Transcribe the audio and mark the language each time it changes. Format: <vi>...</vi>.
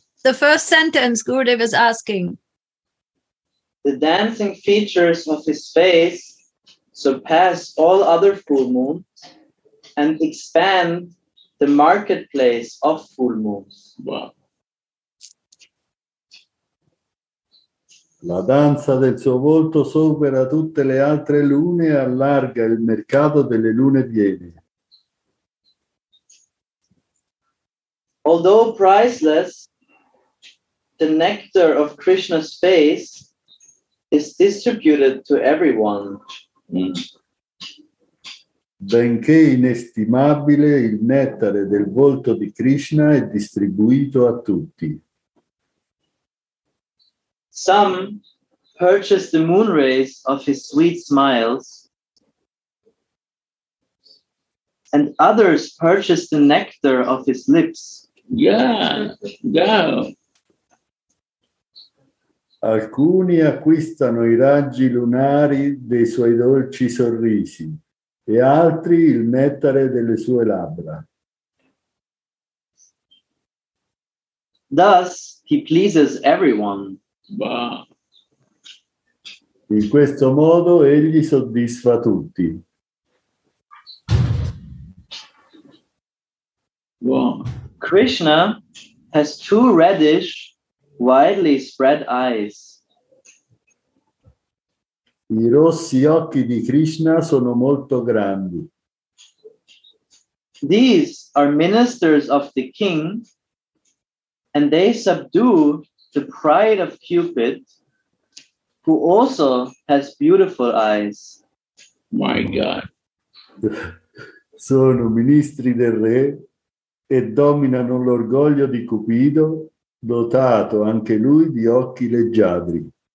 <en>The first sentence Gurudev is asking. The dancing features of his face surpass all other full moons and expand the marketplace of full moons. Wow.</en> <it>La danza del suo volto supera tutte le altre lune e allarga il mercato delle lune piene.</it> <en>Although priceless, the nectar of Krishna's face is distributed to everyone.</en> <it>Benché inestimabile, il nettare del volto di Krishna è distribuito a tutti.</it> <en>Some purchase the moon rays of his sweet smiles, and others purchase the nectar of his lips. Yeah, yeah.</en> <it>Alcuni acquistano i raggi lunari dei suoi dolci sorrisi, e altri il nettare delle sue labbra.</it> <en>Thus he pleases everyone. Wow.</en> <it>In questo modo egli soddisfa tutti.</it> <en>Wow. Krishna has two reddish, widely spread eyes.</en> <it>I rossi occhi di Krishna sono molto grandi.</it> <en>These are ministers of the king, and they subdue the pride of Cupid, who also has beautiful eyes. My God.</en> <it>Sono ministri del re e dominano l'orgoglio di Cupido, dotato anche lui di occhi leggiadri.</it>